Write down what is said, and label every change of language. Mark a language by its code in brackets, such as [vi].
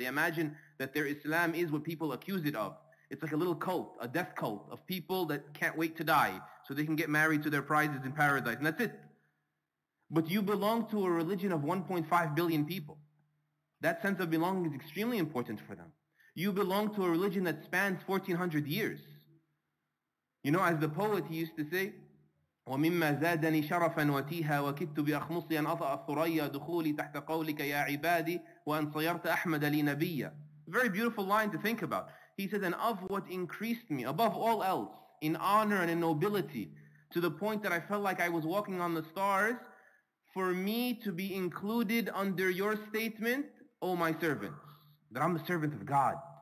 [en] They imagine that their Islam is what people accuse it of. It's like a little cult, a death cult of people that can't wait to die so they can get married to their prizes in paradise. And that's it. But you belong to a religion of 1.5 billion people. That sense of belonging is extremely important for them. You belong to a religion that spans 1,400 years. You know, as the poet, he used to say, [ar] وَمِمَّا زَادَنِي شَرَفًا وَتِيهَا وَكِدْتُ بِأَخْمُصِي أَنْ أَطَأَ الثُّرَيَّ دُخُولِي تَحْتَ قَوْلِكَ يَا عِبَادِي وَأَنْ صَيَرْتَ أَحْمَدَ لِي نَبِيًّا. [en] Very beautiful line to think about. He said, and of what increased me above all else in honor and in nobility to the point that I felt like I was walking on the stars, for me to be included under your statement, oh my servants, that I'm the servant of God.